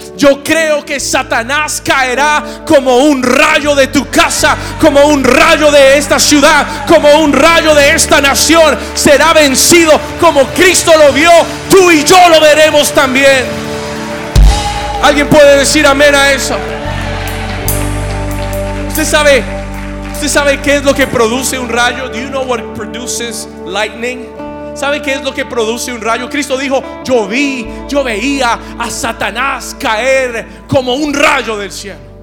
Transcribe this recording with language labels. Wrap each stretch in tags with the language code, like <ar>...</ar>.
<es>Yo creo que Satanás caerá como un rayo de tu casa, como un rayo de esta ciudad, como un rayo de esta nación. Será vencido como Cristo lo vio. Tú y yo lo veremos también. ¿Alguien puede decir amén a eso? ¿Usted sabe qué es lo que produce un rayo?</es> <en>Do you know what produces lightning?</en> <es>¿Sabe qué es lo que produce un rayo? Cristo dijo: yo veía a Satanás caer como un rayo del cielo.</es>